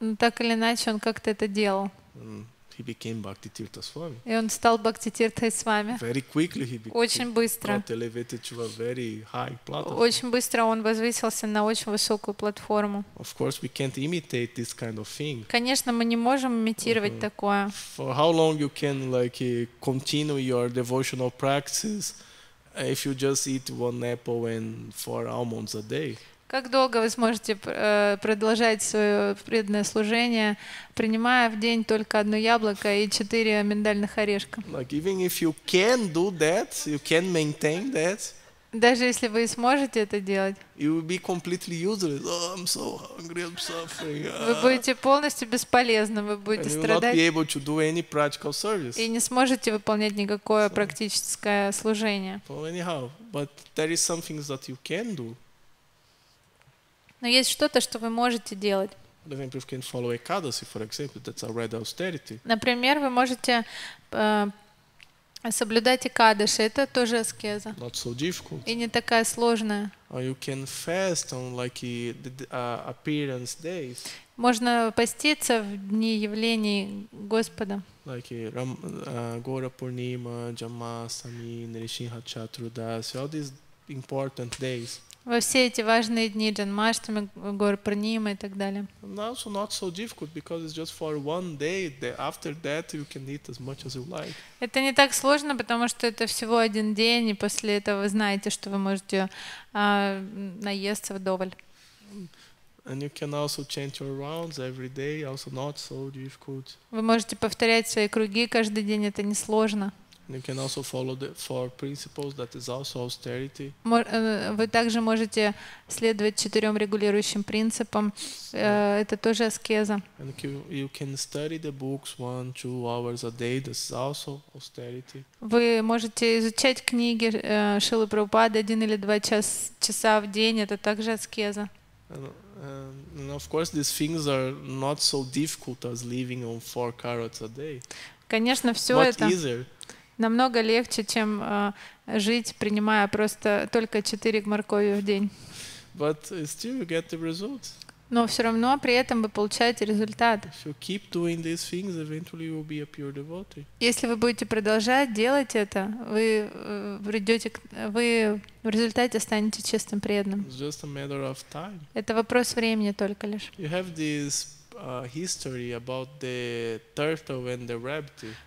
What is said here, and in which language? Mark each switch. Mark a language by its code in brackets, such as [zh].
[ru] Так или иначе, он как-то это делал. [en] He became Bhaktitirtha Swami. [ru] И он стал Бхактитиртхой Свами. [en] Very quickly he became. [ru] Очень быстро. [en] Got elevated to a very high platform. [ru] Очень быстро он возвысился на очень высокую платформу. [en] Of course, we can't imitate this kind of thing. [ru] Конечно, мы не можем имитировать такое. [en] For how long you can like continue your devotional practices if you just eat one apple and four almonds a day? [ru] Как долго вы сможете продолжать свое преданное служение, принимая в день только одно яблоко и четыре миндальных орешка? [en] Like even if you can do that, you can maintain that. [ru] Даже если вы сможете это делать. [en] You will be completely useless. Oh, I'm so hungry, I'm suffering. [ru] Вы будете полностью бесполезны, вы будете страдать. [en] You will not be able to do any practical service. [ru] И не сможете выполнять никакое практическое служение. [en] Well, anyhow, but there is some things that you can do. [ru] Но есть что-то, что вы можете делать. Например, [en] you can follow Ekadasi, for example, that's a red austerity. [ru] Например, вы можете соблюдать Экадаши, это тоже аскеза. [en] Not so difficult. [ru] И не такая сложная. [en] Or you can fast on like appearance days. [ru] Можно поститься в дни явлений Господа. [en] Like Gaura Purnima, Jamasami, Narishinha Chaturdasi, all these important days. [ru] Во все эти важные дни Джанмаштами, Гор Пранима и так далее. [en] No, it's not so difficult because it's just for one day. After that, you can eat as much as you like. [ru] Это не так сложно, потому что это всего один день, и после этого вы знаете, что вы можете наесться вдоволь. [en] And you can also chant your rounds every day. Also not so difficult. [ru] Вы можете повторять свои круги каждый день. Это не сложно. [en] You can also follow the four principles, that is also austerity. [uk] Ви також можете слідувати чотирьом регулюючим принципам. Це теж аскеза. [en] And you can study the books 1-2 hours a day, this is also austerity. [uk] Ви можете [ru] изучать книги Шрилы Прабхупады 1 или 2 часа в день, [uk] це також аскеза. [en] And of course these things are not so difficult as living on 4 carrots a day. [ru] Конечно, все это намного легче, чем жить, принимая просто только 4 моркови в день. [en] But still you get the results. [ru] Но все равно при этом вы получаете результат. [en] If you keep doing these things, eventually you will be a pure devotee. [ru] Если вы будете продолжать делать это, вы придете, вы в результате станете чистым преданным. [en] It's just a matter of time. [ru] Это вопрос времени только лишь. [en] You have this history about the turtle and the rabbit.